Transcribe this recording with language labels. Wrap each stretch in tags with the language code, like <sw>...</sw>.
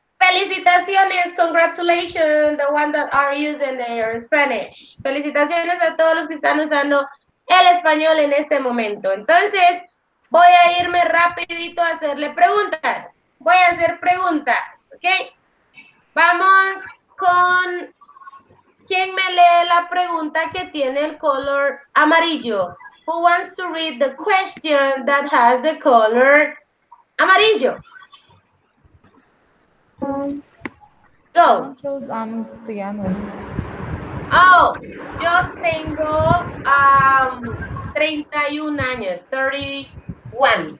<es>Felicitaciones,</es> <en>congratulations, the one that are using their Spanish.</en> <es>Felicitaciones a todos los que están usando el español en este momento. Entonces, voy a irme rapidito a hacerle preguntas. Voy a hacer preguntas, ¿ok? Vamos con... ¿Quién me lee la pregunta que tiene el color amarillo?</es> <en>Who wants to read the question that has the color amarillo? Go.</en> <es>¿Cuántos años tienes? Oh, yo tengo 31 años, 31.</es>